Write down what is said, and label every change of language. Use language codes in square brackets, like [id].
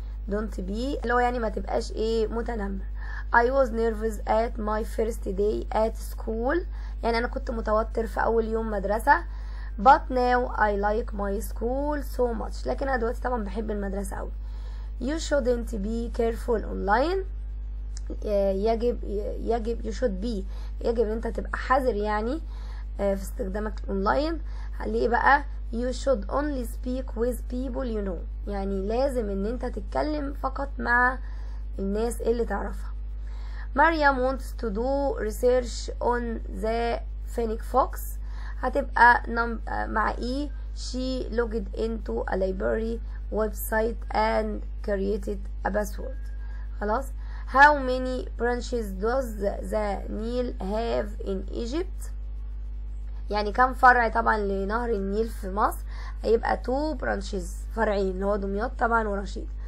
[en] Don't be [ar] اللي هو يعني ما تبقاش ايه متنمر. [en] I was nervous at my first day at school. [ar] يعني انا كنت متوتر في اول يوم مدرسة. [en] But now I like my school so much. [ar] لكن انا دلوقتي طبعا بحب المدرسة قوي. [en] You shouldn't be careful online. [ar] يجب [en] you should be [ar] يجب ان انت تبقى حذر يعني في استخدامك اونلاين. ليه بقى؟ [en] you should only speak with people you know، [ar] يعني لازم ان انت تتكلم فقط مع الناس اللي تعرفها. [en] Maryam wants to do research on the phoenix fox. [ar] هتبقى مع E. [en] She logged into a library website and created a password. [ar] خلاص. [en] How many branches does the Nile have in Egypt؟ [ar] يعني كم فرع طبعا لنهر النيل في مصر؟ هيبقى [en] two branches، [ar] فرعين اللي هو دمياط طبعا ورشيد.